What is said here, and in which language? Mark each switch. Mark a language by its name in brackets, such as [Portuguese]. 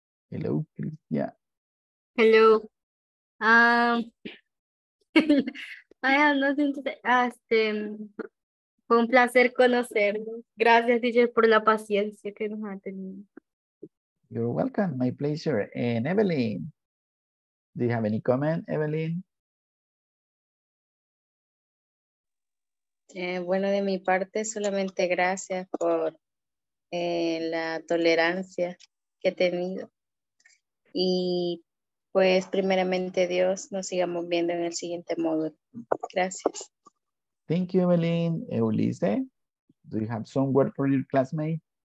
[English] Hello, Cristian. Hello. I have nothing to ask. [Spanish] Fue un placer conocerlo. Gracias, DJ, por la paciencia que nos ha tenido. [English] You're welcome. My pleasure. And Evelyn, do you have any comment, Evelyn? [Spanish] Bueno, de mi parte, solamente gracias por la tolerancia que he tenido. Y pues primeramente Dios, nos sigamos viendo en el siguiente módulo. Gracias. [English] Thank you, Evelyn. Eulise, do you have some word for your classmate?